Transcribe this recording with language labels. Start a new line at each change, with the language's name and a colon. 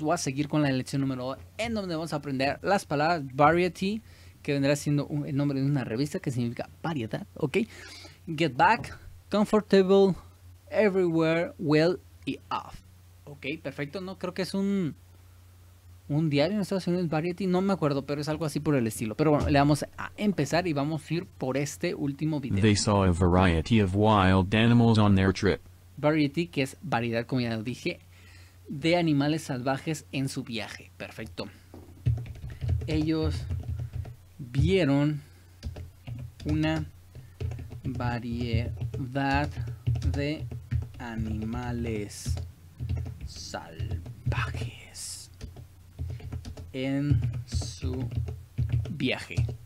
Spanish: Voy a seguir con la lección número 2, en donde vamos a aprender las palabras variety, que vendrá siendo el nombre de una revista que significa variedad, ¿ok?
English: Get back, comfortable, everywhere, well y off.
Spanish: Ok, perfecto, ¿no? Creo que es un diario en Estados Unidos, Variety, no me acuerdo, pero es algo así por el estilo. Pero bueno, le vamos a empezar y vamos a ir por este último video.
English: They saw a variety of wild animals on their trip.
Spanish: Variety, que es variedad, como ya lo dije, de animales salvajes en su viaje. Perfecto. Ellos vieron una variedad de animales salvajes en su viaje.